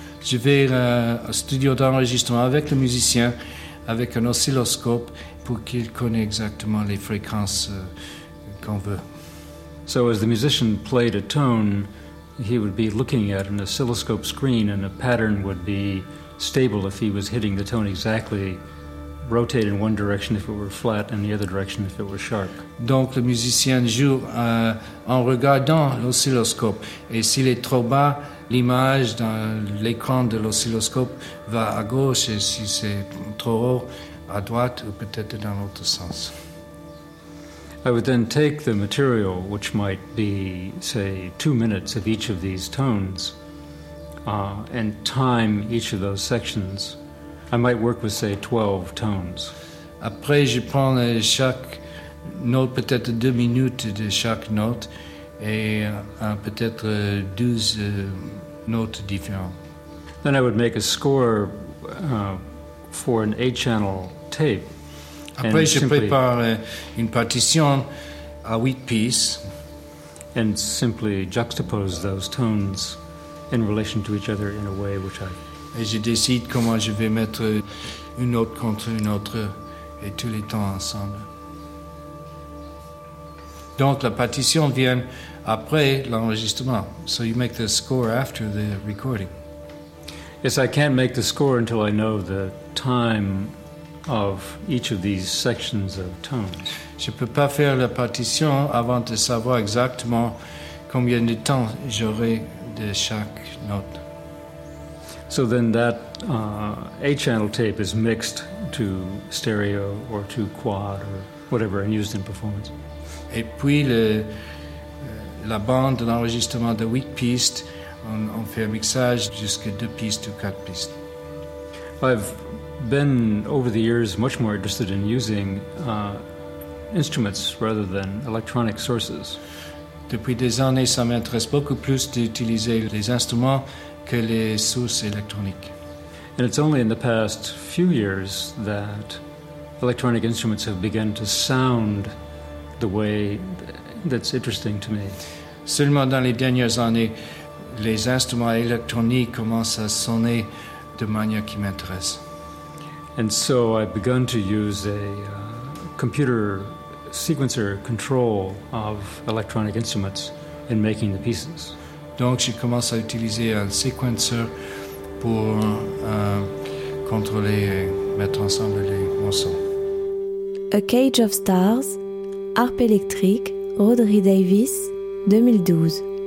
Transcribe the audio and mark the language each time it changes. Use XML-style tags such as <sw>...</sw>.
<fr>Je vais au studio d'enregistrement avec le musicien avec un oscilloscope pour qu'il connaît exactement les fréquences qu'on veut.</fr> <en>So as the musician played a tone, he would be looking at an oscilloscope screen, and a pattern would be stable if he was hitting the tone exactly. Rotate in one direction if it were flat, and the other direction if it were sharp.</en> <fr>Donc le musicien joue en regardant l'oscilloscope, et s'il est trop bas, l'image dans l'écran de l'oscilloscope va à gauche, et si c'est trop haut, à droite, ou peut-être dans l'autre sens.</fr> <en>I would then take the material, which might be, say, 2 minutes of each of these tones, and time each of those sections. I might work with, say, 12 tones.</en> <fr>Après, je prends chaque note, peut-être 2 minutes de chaque note, et peut-être 12 notes différentes.</fr> <en>Then I would make a score for an 8-channel tape.</en> <fr>Après, je prépare une partition à 8 pieces.</fr> <en>And simply juxtapose those tones in relation to each other in a way which I...</en> <fr>Et je décide comment je vais mettre une note contre une autre et tous les temps ensemble. Donc la partition vient après l'enregistrement.</fr> <en>So you make the score after the recording. Yes, I can't make the score until I know the time of each of these sections of tones.</en> <fr>Je peux pas faire la partition avant de savoir exactement combien de temps j'aurai de chaque note.</fr> <en>So then that eight-channel tape is mixed to stereo or to quad or whatever and used in performance.</en> <fr>Et puis la bande d'enregistrement de 8 pistes, on fait un mixage jusqu'à 2 pistes ou 4 pistes.</fr> <en>I've been over the years much more interested in using instruments rather than electronic sources.</en> <fr>Depuis des années, ça m'intéresse beaucoup plus d'utiliser les instruments que les sources électroniques.</fr> <en>And it's only in the past few years that electronic instruments have begun to sound the way that's interesting to me.</en> <fr>Seulement dans les dernières années, les instruments électroniques commencent à sonner de manière qui m'intéresse.</fr> <en>And so I've begun to use a computer sequencer control of electronic instruments in making the pieces.</en> <fr>Donc je commence à utiliser un sequencer pour contrôler et mettre ensemble les morceaux. A Cage of Stars, Harpe électrique, Rodri Davis, 2012.</fr>